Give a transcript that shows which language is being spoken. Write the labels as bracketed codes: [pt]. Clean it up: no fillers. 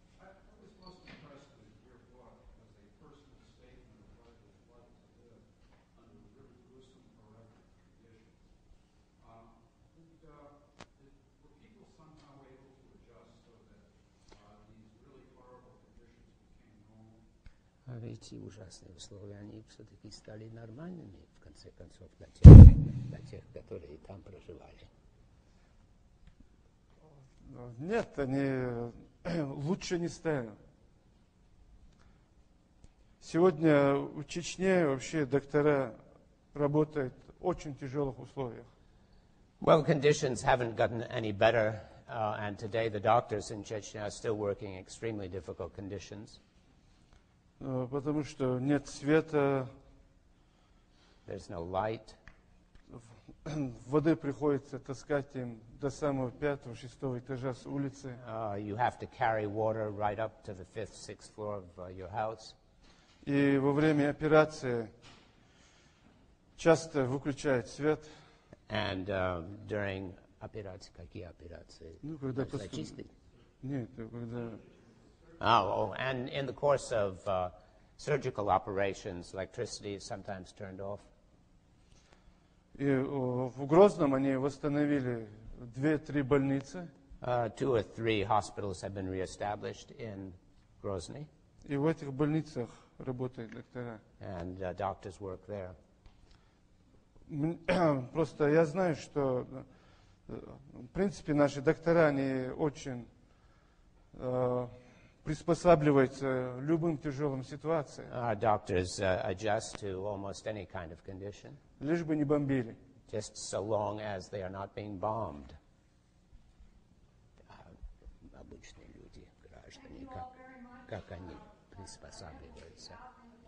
[en] I was most impressed with your book as a personal statement of what it was like to live under really gruesome, horrific conditions. Were people somehow able to adjust so that these really horrible conditions became normal? [ru] А ведь и ужасные условия, они все-таки стали нормальными, в конце концов, для тех, которые там проживали. Нет, они лучше не стали. Сегодня в Чечне вообще доктора работают в очень тяжелых условиях. [en] Well, conditions haven't gotten any better, and today the doctors in Chechnya are still working in extremely difficult conditions. [ru] Потому что нет света. [en] There's no light. [ru] Воды приходится таскать им до самого пятого, шестого этажа с улицы. [en] You have to carry water right up to the fifth, sixth floor of your house. [ru] И во время операции часто выключают свет. [en] And during [ru] операции, какие операции? Ну, когда зачистки? Нет, когда... [en] And in the course of surgical operations, electricity is sometimes turned off. [ru] И в Грозном они восстановили 2-3 больницы. [en] Two or three hospitals have been reestablished in Grozny. [ru] И в этих больницах работают доктора. [en] And doctors work there. [ru] Просто я знаю, что в принципе наши доктора, они очень приспосабливаются любым тяжелым ситуациям. [en] Our doctors adjust to almost any kind of condition. [ru] Лишь бы не бомбили. [en] Just so long as they are not being bombed. [ru] Обычные люди, граждане, как они приспосабливаются.